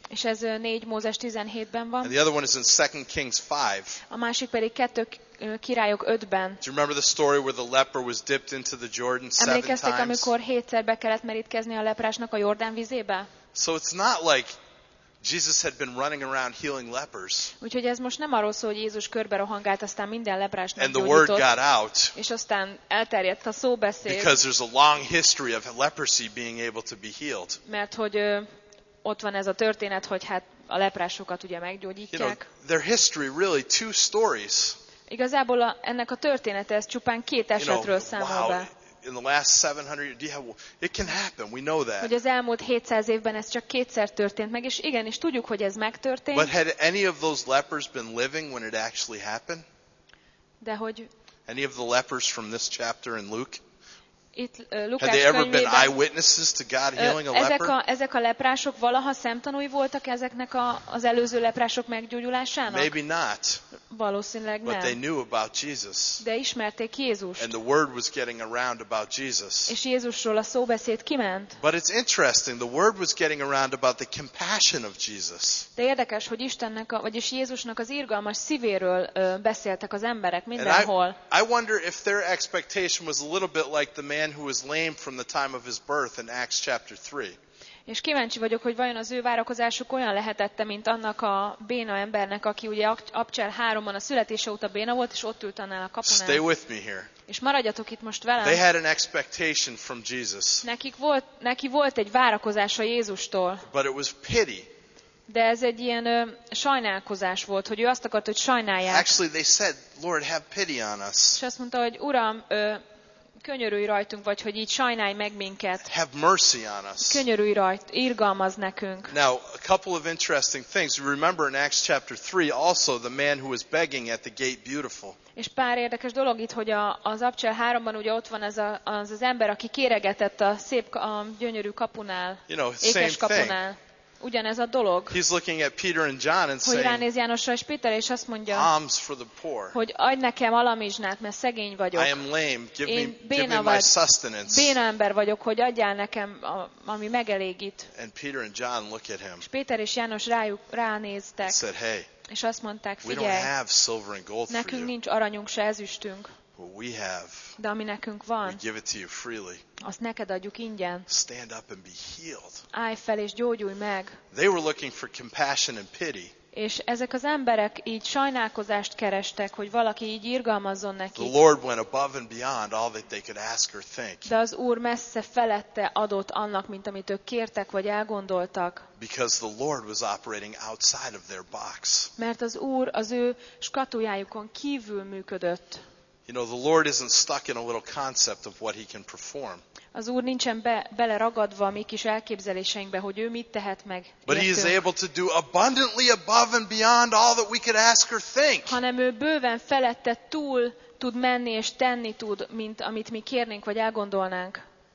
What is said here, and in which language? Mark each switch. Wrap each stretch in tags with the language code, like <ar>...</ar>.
<hu>És ez 4 Mózes 17-ben van.</hu> <en>And the other one is in 2 Kings 5.</en> <hu>A másik pedig 2 Királyok 5-ben.</hu> <en>Do you remember the story where the leper was dipped into the Jordan 7 times?</en> <hu>Emlékeztek, amikor 7-szer be kellett merítkezni a leprásnak a Jordán vizébe?</hu> <en>So it's not like Jesus had been running around healing lepers.</en> <hu>Úgyhogy ez most nem arról szól, hogy Jézus körbe rohangált, aztán minden leprás meggyógyult.</hu> <en>And the word got out.</en> <hu>És aztán elterjedt a szóbeszéd.</hu> <en>Because there's a long history of leprosy being able to be healed.</en> <hu>Mert hogy ott van ez a történet, hogy hát a leprásokat ugye meggyógyítják.</hu> <en>You know, their history really two stories.</en> <hu>Igazából ennek a története ez csupán két esetről számol be.</hu> <en>In the last 700 years, it can happen. We know that.</en> <hu>Hogy az elmúlt 700 évben ez csak kétszer történt meg, és igen, és tudjuk, hogy ez megtörtént.</hu> <en>But had any of those lepers been living when it actually happened?</en> <hu>De hogy?</hu> <en>Any of the lepers from this chapter in Luke?</en> <hu>Itt Lukács.</hu> <en>Had they ever been eyewitnesses to God healing a leper?</en> <hu>Ezek a leprások valaha szemtanúi voltak ezeknek az előző leprások meggyógyulásának?</hu> <en>Maybe not.</en> <hu>Valószínűleg nem.</hu> <en>But they knew about Jesus.</en> <hu>De ismerték Jézust.</hu> <en>And the word was getting around about Jesus.</en> <hu>És Jézusról a szóbeszéd kiment.</hu> <en>But it's interesting, the word was getting around about the compassion of Jesus.</en> <hu>De érdekes, hogy Istennek, vagyis Jézusnak az irgalmas szívéről beszéltek az emberek mindenhol.</hu> <en>And I wonder if their expectation was a little bit like the man who was lame from the time of his birth in Acts chapter 3.</en> <hu>És kíváncsi vagyok, hogy vajon az ő várakozásuk olyan lehetette, mint annak a béna embernek, aki ugye Abcsel 3-on a születése óta béna volt, és ott ült annál a kapunál.</hu> <en>Stay with me here.</en> <hu>És maradjatok itt most velem.</hu> <en>They had an expectation from Jesus.</en> <hu>Neki volt egy várakozása Jézustól.</hu> <en>But it was pity.</en> <hu>De ez egy ilyen sajnálkozás volt, hogy ő azt akart, hogy sajnálják.</hu> <en>Actually, they said, Lord, have pity on us.</en> <hu>És azt mondta, hogy Uram, könyörülj rajtunk, vagy hogy így sajnálj meg minket.</hu> <en>Have mercy on us.</en> <hu>Könyörülj rajt, irgalmazz nekünk.</hu> <en>Now, a couple of interesting things. Remember in Acts chapter 3 also the man who was begging at the gate beautiful.</en> <hu>És pár érdekes dolog itt, hogy az Abcsel 3-ban ugye ott van ez az ember, aki kéregetett a szép, a gyönyörű kapunál,</hu> <en>you know,</en> <hu>ékes</hu> <en>same</en> <hu>kapunál.</hu> <en>Thing.</en> <hu>Ugyanez a dolog.</hu> <en>He's looking at Peter and John and</en> <hu>hogy</hu> <en>saying,</en> <hu>ránéz Jánosra és Péterre, és azt mondja,</hu> <en>alms for the poor.</en> <hu>Hogy adj nekem alamizsnát, mert szegény vagyok.</hu> <en>I am lame. Give</en> <hu>én béna vagy,</hu> <en>my sustenance.</en> <hu>Béna ember vagyok, hogy adjál nekem, ami megelégít.</hu> <en>And Peter and John look at him.</en> <hu>És Péter és János ránéztek.</hu> <en>And said, hey,</en> <hu>és azt mondták, figyelj, nekünk nincs aranyunk, se ezüstünk.</hu> <en>What we have,</en> <hu>de ami nekünk van,</hu> <en>we give it to you freely.</en> <hu>Azt neked adjuk ingyen.</hu> <en>Stand up and be healed.</en> <hu>Állj fel és gyógyulj meg.</hu> <en>They were looking for compassion and pity.</en> <hu>És ezek az emberek így sajnálkozást kerestek, hogy valaki így irgalmazzon nekik.</hu> <en>The Lord went above and beyond all that they could ask or think.</en> <hu>De az Úr messze felette adott annak, mint amit ők kértek vagy elgondoltak.</hu> <en>Because the Lord was operating outside of their box.</en> <hu>Mert az Úr az ő skatujájukon kívül működött.</hu> <en>You know, the Lord isn't stuck in a little concept of what he can perform.</en> <hu>Az Úr nincsen beleragadva a mi kis elképzeléseinkbe, hogy ő mit tehet meg.</hu> <en>But he is able to do abundantly above and beyond all that we could ask or think.</en> <hu>Hanem ő bőven felette túl tud menni és tenni tud, mint amit mi kérnénk vagy elgondolnánk.</hu>